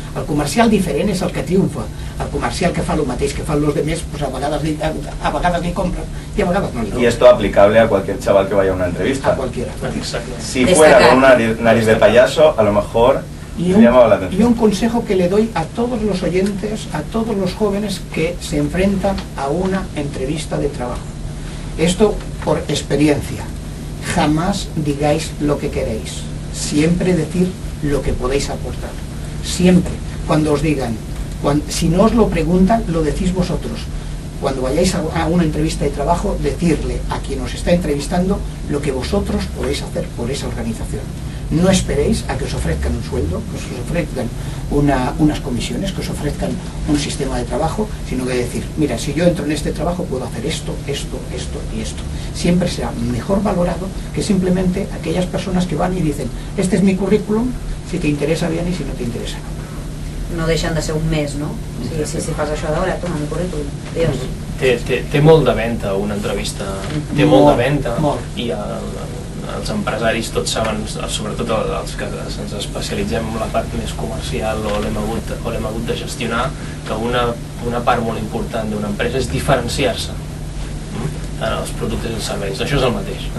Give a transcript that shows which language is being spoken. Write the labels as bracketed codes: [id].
[ca] El comercial diferent és el que triomfa. El comercial que fa el mateix que fan els altres, pues a vegades li compra i a vegades no li compra. [es] I esto aplicable a cualquier chaval que vaya a una entrevista. A cualquiera. Si fuera con una nariz de payaso, a lo mejor le llamaba la atención. Y un consejo que le doy a todos los oyentes, a todos los jóvenes que se enfrentan a una entrevista de trabajo. Esto por experiencia. Jamás digáis lo que queréis, siempre decir lo que podéis aportar. Siempre, cuando os digan, si no os lo preguntan, lo decís vosotros. Cuando vayáis a una entrevista de trabajo, decirle a quien os está entrevistando lo que vosotros podéis hacer por esa organización. No esperéis a que os ofrezcan un sueldo, que os ofrezcan unas comisiones, que os ofrezcan un sistema de trabajo, sino que decir, mira, si yo entro en este trabajo puedo hacer esto, esto, esto y esto. Siempre será mejor valorado que simplemente aquellas personas que van y dicen, este es mi currículum, si te interesa bien y si no te interesa no. [ca] No deixen de ser un mes, no? Si fas això d'hora, [es] toma mi currículum, adiós. [ca] Té molt de venta una entrevista, té molt de venta. Molt. Els empresaris tots saben, sobretot els que ens especialitzem en la part més comercial o l'hem hagut de gestionar, que una part molt important d'una empresa és diferenciar-se en els productes i els serveis. Això és el mateix.